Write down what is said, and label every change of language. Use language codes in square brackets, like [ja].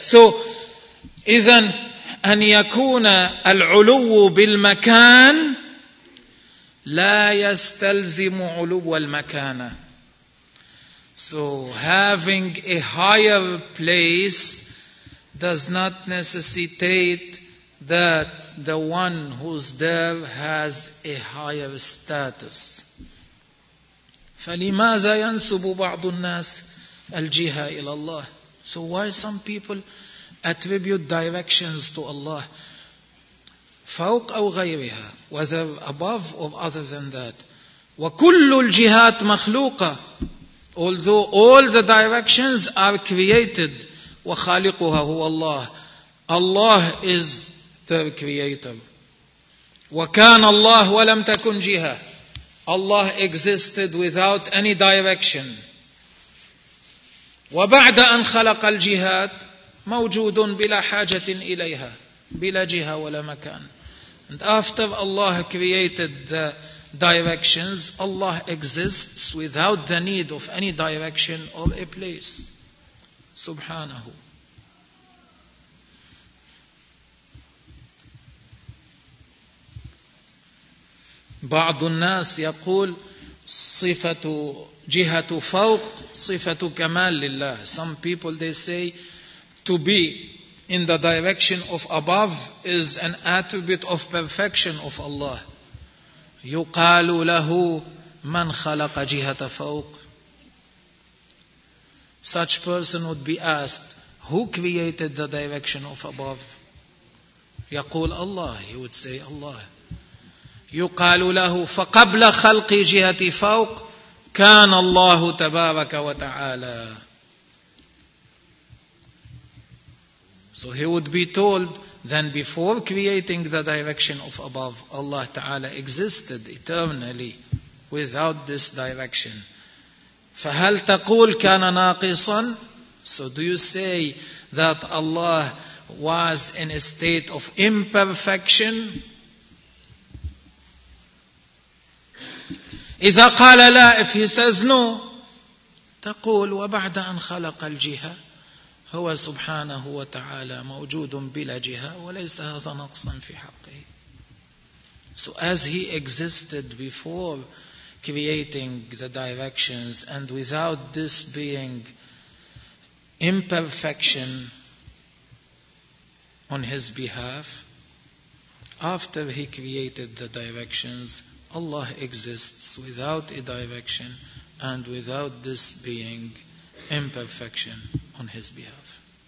[en] So, [ar] إذن أن يكون العلو بالمكان لا يستلزم علو المكان. [en] So, having a higher place does not necessitate that the one who's there has a higher status. [ar] فلماذا ينسب بعض الناس الجهة إلى الله؟ [en] So why some people attribute directions to Allah [ar] فوق أو غيرها, [en] whether above or other than that. [ar] وكل الجهات مخلوقة, [en] although all the directions are created, [ar] وخالقها هو الله. [en] Allah is the creator. [ar] وكان الله ولم تكن جهة. [en] Allah existed without any direction. [ar] وبعد أن خلق الجهات موجود بلا حاجة إليها, بلا جهة ولا مكان. [en] And after Allah created the directions, Allah exists without the need of any direction or a place. [ar] سبحانه. بعض الناس يقول صفة جهة فوق صفة كمال لله. [en] Some people they say to be in the direction of above is an attribute of perfection of Allah. [ar] يقال له من خلق جهة فوق. [en] Such person would be asked, who created the direction of above? [ar] يقول الله. [en] He would say Allah. [ar] يقال له فقبل خلق جهة فوق كان الله تبارك وتعالى. [en] So he would be told, then before creating the direction of above, Allah Ta'ala existed eternally without this direction. [ar] فهل تقول كان ناقصا؟ [en] So do you say that Allah was in a state of imperfection? [ar] إذا قال لا, [en] if he says no, [ar] تقول وبعد أن خلق الجهة هو سبحانه وتعالى موجود بلا جهة وليس هذا نقصا في حقه. [en] So as he existed before creating the directions and without this being imperfection on his behalf, after he created the directions, Allah exists without a direction and without this being imperfection on his behalf.